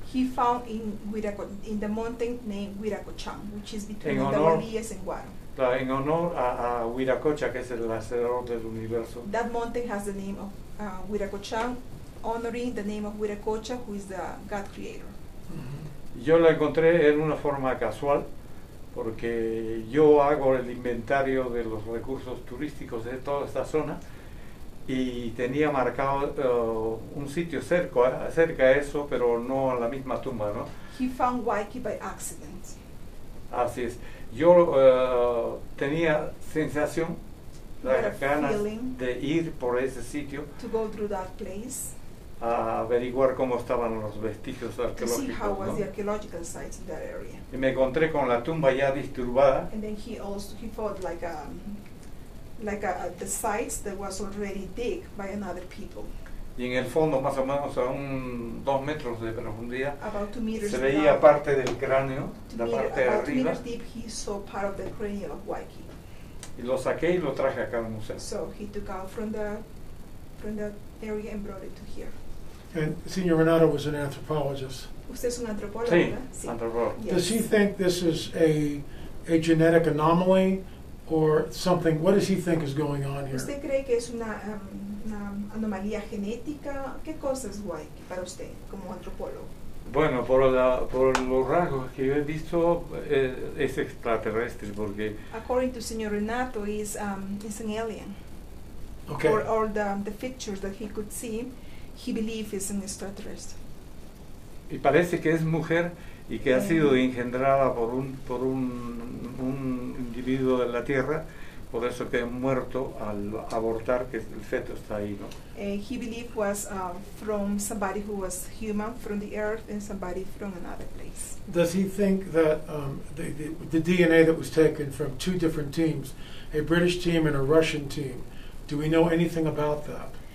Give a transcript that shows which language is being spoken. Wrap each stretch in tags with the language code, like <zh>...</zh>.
<en>He found in the mountain named Huiracochán, which is between Andahuaylillas and Guaro.</en> <es>Claro, en honor a Huiracocha, que es el hacedor del universo.</es> <en>That mountain has the name of Huiracochán, honoring the name of Huiracocha, who is the God creator. Mm-hmm.</en> <es>Yo la encontré en una forma casual, porque yo hago el inventario de los recursos turísticos de toda esta zona y tenía marcado un sitio cerca a eso, pero no a la misma tumba, ¿no?</es> <en>He found Huayqui by accident.</en> <es>Así es. Yo tenía sensación, las ganas de ir por ese sitio.</es> <en>To go through that place.</en> <es>A averiguar cómo estaban los vestigios arqueológicos.</es> <en>To see how was</en> <es>¿no?</es> <en>the archaeological sites in that area.</en> <es>Y me encontré con la tumba ya disturbada.</es> <en>And then he found the sites that was already dig by another people.</en> <es>Y en el fondo, más o menos a un 2 metros de profundidad,</es> <en>about 2 meters</en> <es>se veía parte del cráneo, la parte de arriba.</es> <en>About 2 meters deep, he saw part of the cranium of Huayqui.</en> <es>Y lo saqué y lo traje acá al museo.</es> <en>So he took out from the area and brought it to here. And Senior Renato was an anthropologist.</en> <es>Usted es un antropólogo, sí, ¿verdad? Sí, antropólogo.</es> <en>Yes. Does he think this is a genetic anomaly or something? What does he think is going on here?</en> <es>¿Usted cree que es una anomalía genética? ¿Qué cosa es Huayqui para usted como antropólogo? Bueno, por los rasgos que yo he visto, es extraterrestre, porque...</es> <en>According to Señor Renato, he's an alien. Okay. For all the features that he could see, he believes he's an extraterrestre.</en> <es>Y parece que es mujer y que ha sido engendrada por un individuo de la Tierra, por eso que ha muerto al abortar, que el feto está ahí, ¿no?</es> <en>He believed was from somebody who was human from the earth and somebody from another place. Does he think that the DNA that was taken from two different teams, a British team and a Russian team, do we know anything about that?</en>